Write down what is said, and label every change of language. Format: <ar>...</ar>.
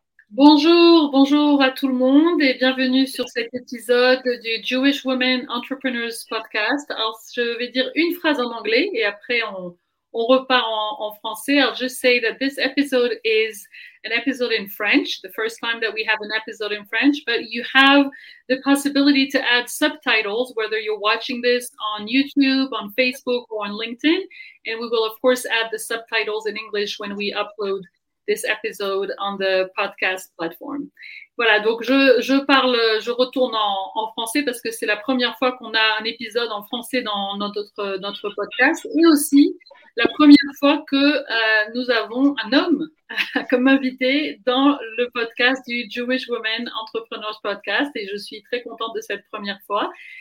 <fr>Bonjour à tout le monde et bienvenue sur cet épisode du Jewish Women Entrepreneurs Podcast. Alors, je vais dire une phrase en anglais et après on repart en français.</fr> <en>I'll just say that this episode is an episode in French, the first time that we have an episode in French, but you have the possibility to add subtitles, whether you're watching this on YouTube, on Facebook, or on LinkedIn. And we will, of course, add the subtitles in English when we upload this episode on the podcast platform.</en> <fr>Voilà, donc je retourne en français parce que c'est la première fois qu'on a un épisode en français dans notre podcast et aussi la première fois que nous avons un homme comme invité dans le podcast du Jewish Women Entrepreneurs Podcast et je suis très contente de cette première fois.</fr>